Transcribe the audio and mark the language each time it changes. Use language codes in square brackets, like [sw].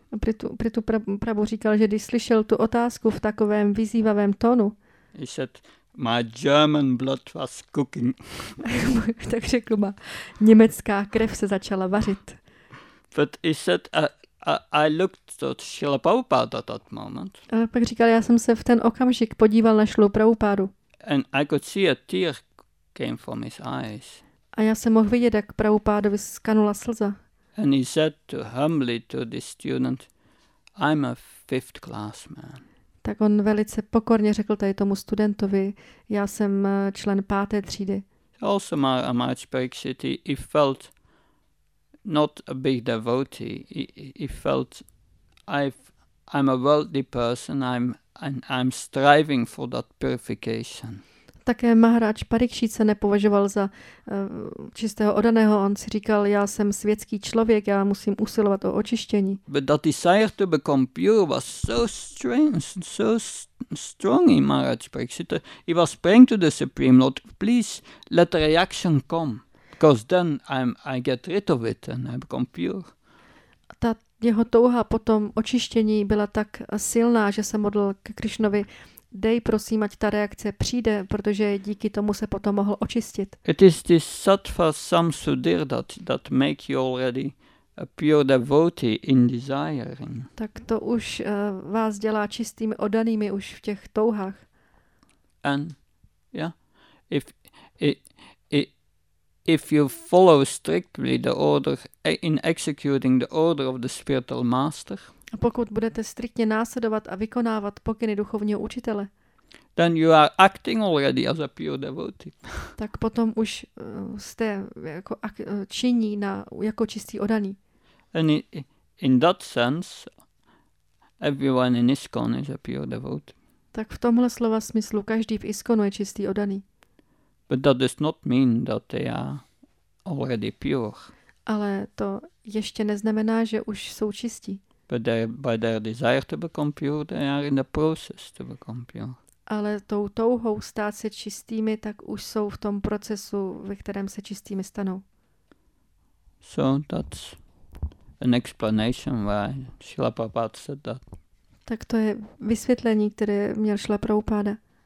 [cs] Prithu Prabhu říkal, že když slyšel tu otázku v takovém vyzývavém tónu. [en] He said, my German blood was cooking. [cs] Tak řekl, má německá krev se začala vařit. [en] But he said, I looked at Srila Prabhupada at that moment. [cs] A pak říkal, já jsem se v ten okamžik podíval na Srilu Prabhupádu. [en] And I could see a tear came from his eyes. [cs] A já jsem mohl vidět, jak Prabhupádovi skanula slza. [en] And he said to humbly to this student, I'm a fifth class man. [cs] Tak on velice pokorně řekl tady tomu studentovi, já jsem člen páté třídy. [en] Also Maharaj Parikshit, he felt not a big devotee. He felt I'm a worldly person, I'm striving for that purification. [cs] Také Maharaj Parikshit se nepovažoval za čistého oddaného. On si říkal, já jsem světský člověk, já musím usilovat o očištění. [en] But that desire to become pure was so strange, so strong in Maharaj Parikshit. He was praying to the Supreme Lord, please let the reaction come, because then I get rid of it and I become pure. [cs] Ta jeho touha po tom očištění byla tak silná, že se modlil k Krišnovi, dej prosím, ať ta reakce přijde, protože díky tomu se potom mohl očistit. [en] It is this sattva samsudhir that make you already a pure devotee in desiring. [cs] Tak to už vás dělá čistými oddanými už v těch touhách. [en] And yeah, if you follow strictly the order in executing the order of the spiritual master. [cs] A pokud budete striktně následovat a vykonávat pokyny duchovního učitele. [en] Then you are acting already as a pure devotee. [cs] Tak potom už jste jako činí na jako čistý oddaný. [en] And in that sense everyone in ISKCON is a pure devotee. [cs] Tak v tomhle slova smyslu každý v ISKCONu je čistý oddaný. [en] But that does not mean that they are already pure. [cs] Ale to ještě neznamená, že už jsou čistí. [en] But by their desire to become pure, they are in the process to become pure. [cs] Ale tou touhou stát se čistými, tak už jsou v tom procesu, ve kterém se čistými stanou. [en] So that's an explanation why Srila Prabhupada said that. [cs] Tak to je vysvětlení, které měl Srila Prabhupada.